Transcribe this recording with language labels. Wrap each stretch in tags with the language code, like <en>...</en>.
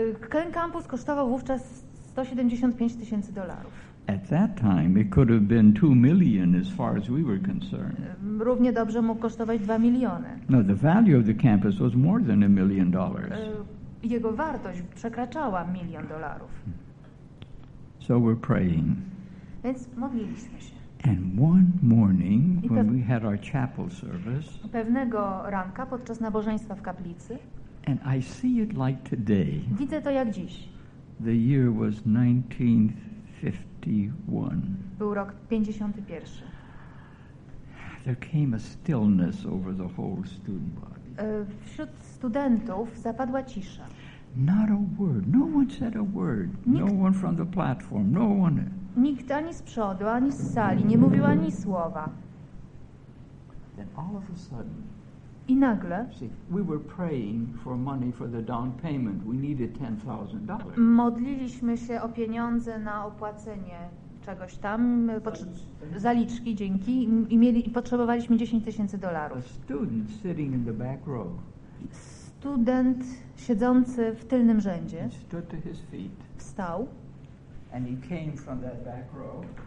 <pl>Ten kampus kosztował wówczas $175,000.</pl> <en>At that time it could have been 2 million as far as we were concerned.</en> <pl>Równie dobrze mógł kosztować 2 miliony.</pl> <en>No, the value of the campus was more than $1 million.</en> <pl>Jego wartość przekraczała $1 million.</pl> <en>So we're praying.</en> <pl>Więc modliliśmy się.</pl> <en>And one morning, when we had our chapel service,</en> <pl>pewnego ranka podczas nabożeństwa w kaplicy,</pl> <en>and I see it like today.</en> <pl>Widzę to jak dziś.</pl> <en>The year was 1951.</en> <pl>Był rok 51.</pl> <en>There came a stillness over the whole student body.</en> <pl>Wśród studentów zapadła cisza.</pl> <en>Not a word. No one said a word. No one from the platform. No one.</en> <pl>Nikt ani z przodu, ani z sali nie mówił ani słowa.</pl> <en>Then all of a sudden.</en> <pl>I nagle.</pl> <en>See, we were praying for money for the down payment. We needed $10,000.</en> <pl>Modliliśmy się o pieniądze na opłacenie czegoś tam, zaliczki, dzięki, i potrzebowaliśmy $10,000.</pl> <en>Student sitting in the back row.</en> <pl>Student siedzący w tylnym rzędzie wstał</pl> <en>and he came from that back row.</en>